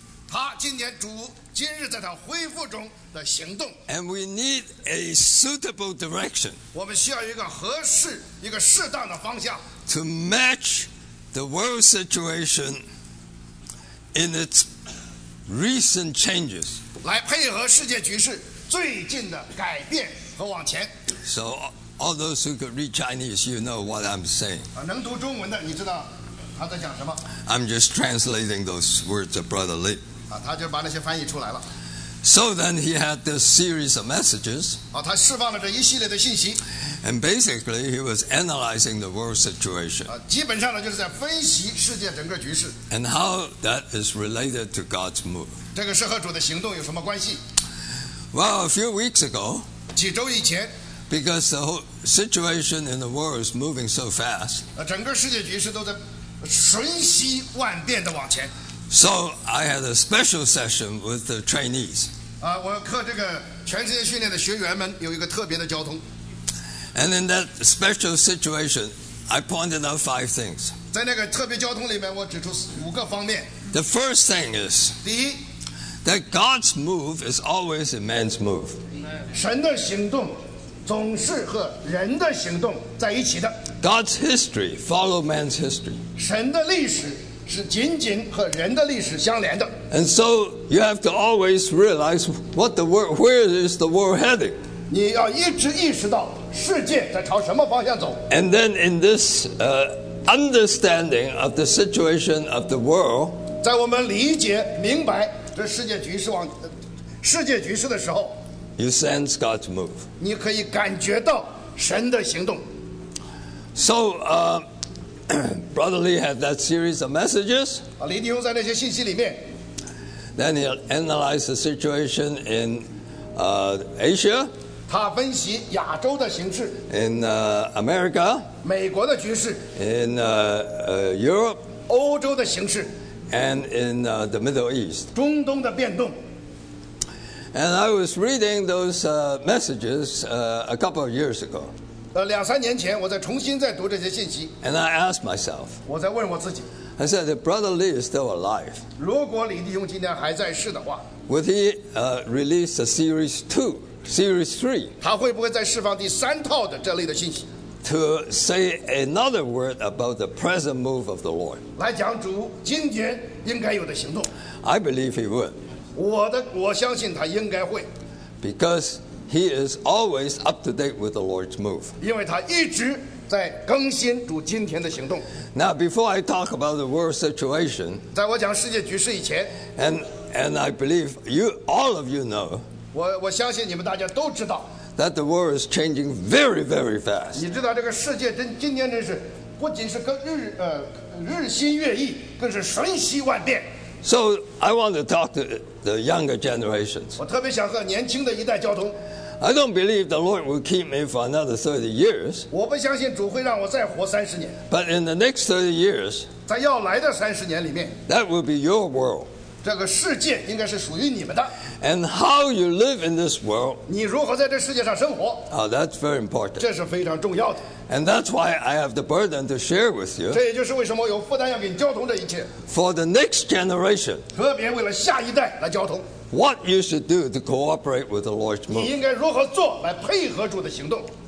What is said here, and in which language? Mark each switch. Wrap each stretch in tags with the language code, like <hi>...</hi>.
<zh>他今天主今日在他恢复中的行动。</zh> <en>And we need a suitable direction.</en> <zh>我们需要一个合适、一个适当的方向。</zh> <en>To match the world situation in its recent changes.</en> <zh>来配合世界局势最近的改变和往前。</zh> <en>So all those who could read Chinese, you know what I'm saying.</en> <zh>能读中文的，你知道。</zh> <en>I'm just translating those words of Brother Lee.</en> <zh>他就把那些翻译出来了。</zh> <en>So then he had this series of messages.</en> <zh>他释放了这一系列的信息。</zh> <en>And basically he was analyzing the world situation.</en> <zh>基本上呢就是在分析世界整个局势。</zh> <en>And how that is related to God's move.</en> <zh>这个是和主的行动有什么关系？</zh> <en>Well, a few weeks ago,</en> <zh>几周以前。</zh> <en>Because the whole situation in the world is moving so fast.</en> <zh>整个世界局势都在瞬息万变的往前。</zh> <en>So I had a special session with the trainees.</en> <zh>我和这个全世界训练的学员们有一个特别的交通。</zh> <en>And in that special situation, I pointed out five things.</en> <zh>在那个特别交通里面，我指出五个方面。</zh> <en>The first thing is,</en> <zh>第一</zh> <en>，that God's move is always a man's move.</en> <zh>神的行动总是和人的行动在一起的。</zh> <en>God's history follow man's history.</en> <zh>神的历史是紧紧和人的历史相连的。</zh> <en>And so you have to always realize what the world, where is the world heading?</en> <zh>你要一直意识到世界在朝什么方向走。</zh> <en>And then in this understanding of the situation of the world,</en> <zh>在我们理解明白这世界局势往世界局势的时候，</zh> <en>you sense God's move.</en> <zh>你可以感觉到神的行动。</zh> <en>So, Brother Lee had that series of messages.</en> <zh>李弟兄在那些信息里面。</zh> <en>Then he analyzed the situation in Asia.</en> <zh>他分析亚洲的形势。</zh> <en>In America.</en> <zh>美国的局势。</zh> <en>In Europe.</en> <zh>欧洲的形势。</zh> <en>And in the Middle East.</en> <zh>中东的变动。</zh> <en>And I was reading those messages a couple of years ago.</en> <zh>两三年前，我在重新再读这些信息。</zh> <en>And I asked myself.</en> <zh>我在问我自己。</zh> <en>I said, if Brother Lee is still alive.</en> <zh>如果李弟兄今天还在世的话。</zh> <en>Would he release a series two, series three?</en> <zh>他会不会再释放第三套的这类的信息</zh> <en>？To say another word about the present move of the Lord.</en> <zh>来讲主今天应该有的行动。</zh> <en>I believe he would.</en> <zh>我相信他应该会。</zh> <en>Because He is always up to date with the Lord's move.</en> <zh>因为他一直在更新主今天的行动。</zh> <en>Now, before I talk about the world situation,</en> <zh>在我讲世界局势以前</zh> <en>，and I believe you all of you know.</en> <zh>我相信你们大家都知道。</zh> <en>That the world is changing very, very fast.</en> <zh>你知道这个世界真今天真是不仅是更日新月异，更是瞬息万变。</zh> <en>So I want to talk to the younger generations.</en> <zh>我特别想和年轻的一代交通。</zh> <en>I don't believe the Lord will keep me for another 30 years.</en> <zh>我不相信主会让我再活三十年。</zh> <en>But in the next 30 years,</en> <zh>在要来的三十年里面</zh> <en>，that will be your world.</en> <zh>这个世界应该是属于你们的。</zh> <en>And how you live in this world?</en> <zh>你如何在这世界上生活</zh> <en>？That's very important.</en> <zh>这是非常重要的。</zh> <en>And that's why I have the burden to share with you.</en> <zh>这也就是为什么有负担要给你交通这一切。</zh> <en>For the next generation.</en> <zh>特别为了下一代来交通。</zh> <en>What you should do to cooperate with the Lord's move.</en> <zh>你应该如何做来配合主的行动</zh>